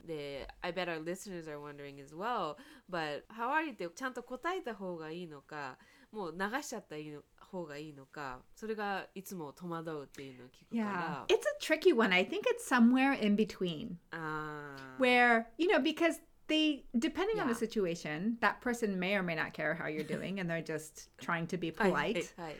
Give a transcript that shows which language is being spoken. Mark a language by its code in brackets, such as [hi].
[en] で、I bet our listeners are wondering as well, but how are you? [ja] ってちゃんと答えた方がいいのか、もう流しちゃったらいいの方がいいのか、それがいつも戸惑うっていうのを聞くから。 [en] Yeah. It's a tricky one. I think it's somewhere in between. Where, you know, because they, depending on the situation, that person may or may not care how you're doing and they're just trying to be polite.